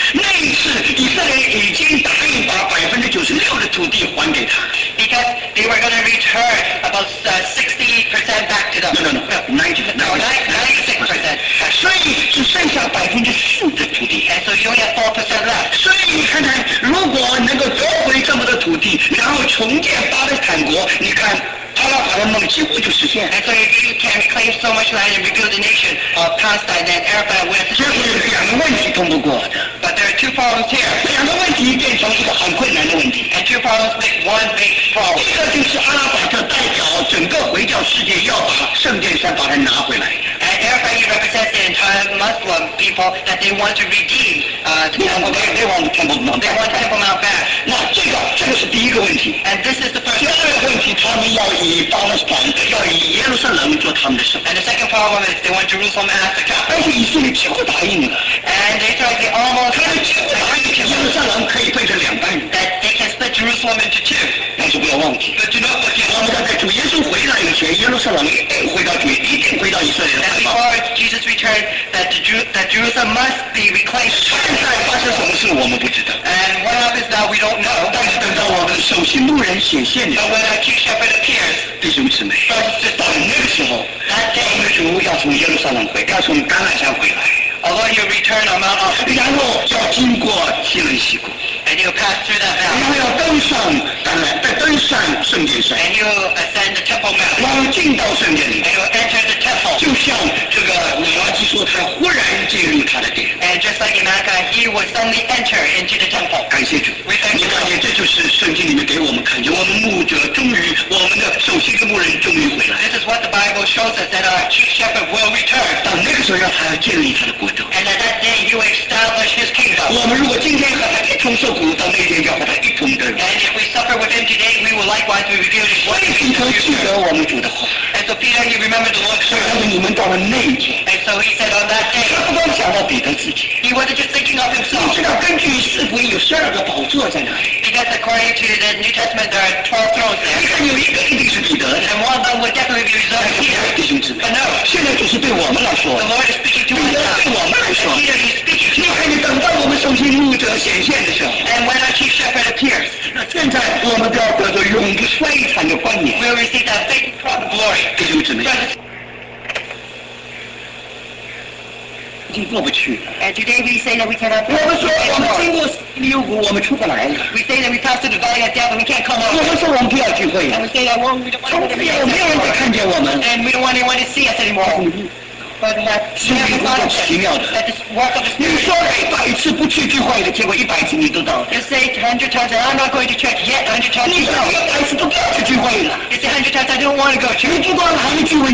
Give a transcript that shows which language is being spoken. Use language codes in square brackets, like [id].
[zh] 那一次以色列已经答应把96%的土地还给他。 [en] Because they were going to return about 60% back to them. No. 96%. [zh] 所以只剩下4%的土地。 [en] And so you only have 4% left. [zh] 所以你看看，如果能够夺回这么多土地，然后重建巴勒斯坦国，你看阿拉法的梦几乎就实现。 [en] And so if you can claim so much land and rebuild the nation of Palestine, then Arafat will succeed. [zh] 结果有两个问题通不过的。 [en] But there are two problems here. [zh] 两个问题变成一个很困难的问题。 [en] And two problems make one big problem. [zh] 一个就是阿拉法就代表整个回教世界要把圣殿山把它拿回来。 [en] And Arafat represents the entire Muslim people that they want to redeem the temple. They want the temple mount back. They want the temple mount back. [zh] 那这个是第一个问题。 [en] And this is the first. [zh] 第二个问题，他们要以巴勒斯坦，要以耶路撒冷做他们的首都。 [en] And the second problem is they want Jerusalem as the capital. [zh] 但是以色列几乎答应了。 [en] And Israel they almost. [zh] 他们几乎答应了。耶路撒冷可以分成两半。 [en] That they can split Jerusalem into two. [zh] 但是不要忘记。 [en] But do not forget. [zh] 我们要在主耶稣回来以前，耶路撒冷一定回到以色列。 [en] Before Jesus returns, that Jerusalem must be reclaimed. And what happens now, we don't know. But when a chief shepherd appears, brothers and sisters, that day, our Lord will from Jerusalem, will from Gaza come back. Our Lord, you return on Mount Olivet. [zh] 然后要经过西伦西谷。 [en] And you pass through that mountain. [zh] 然后要登上橄榄，再登上圣殿山。 [en] And you ascend the Temple Mount. [zh] 然后进到圣殿里。 [en] And you enter the temple. [zh] 就像这个米拉基说，他忽然进入他的殿。 [en] And just like in Acts, he would suddenly enter into the temple. [zh] 感谢主。 [en] We thank you. [zh] 你看见这就是圣经里面给我们看见，我们牧者终于，我们的首席的牧人终于回来。 [en] This is what the Bible shows us that our chief shepherd will return. [zh] 到那个时候，要他要建立他的国家。 [en] And at that day, you establish his kingdom. [zh] 我们如果今天和他一同受苦，到那天要和他一同得荣。 [en] And if we suffer with him today, we will likewise be revealed in glory. [zh] 所以彼得记得我们主的话。 [en] And so Peter, he remembered the Lord's [zh] word. 所以你们到了那一天。 [en] And so he said on that day. [zh] 他不光想到彼得自己。 [en] He wasn't just thinking of himself. [zh] 你知道根据四福音有十二个宝座在哪里？ [en] Because according to the New Testament, there are 12 thrones there. [zh] 你看有一个一定是彼得的。 [en] And one of them would definitely be reserved for Peter. [zh] 弟兄姊妹。 [en] But no. [zh] 现在就是对我们来说。 [en] The Lord is speaking to us now. [zh] 你看，你等到我们首席牧者显现的时候。 [en] And when our chief shepherd appears, [zh] 现在我们都要得到永不衰残的冠冕。 [en] We'll receive that big crown of glory. [zh] 弟兄姊妹，已经过不去了。 [en] And today we say that we cannot. [zh] 我们说我们经过幽谷，我们出不来了。 [en] We say that we pass through the valley of death, and we can't come out. [zh] 我们说我们不要聚会了。 [en] And we say that we don't want [zh] to. 没有人再看见我们。 [en] And we don't want anyone to see us anymore. But that's not the same. That is what the spirit is. You say 100 times, and I'm not going to church yet. 100 times, I don't want to go to church. You don't want to go to